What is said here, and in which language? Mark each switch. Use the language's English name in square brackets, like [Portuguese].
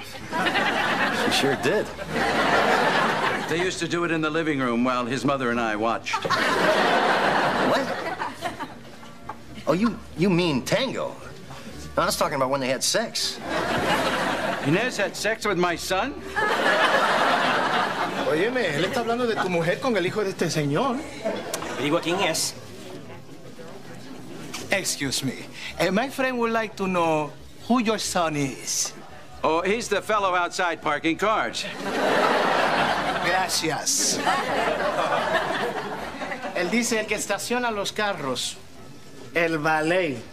[English] She sure did. They used to do it in the living room while his mother and I watched. What? Oh, you mean tango? No, I was talking about when they had sex. Inez had sex with my son? [Spanish] Óyeme, él está hablando de tu mujer con el hijo de este señor. Te digo quién es. [English] Excuse me. My friend would like to know who your son is. Oh, he's the fellow outside parking cars. [Spanish] Gracias. Él dice el que estaciona los carros. El valet.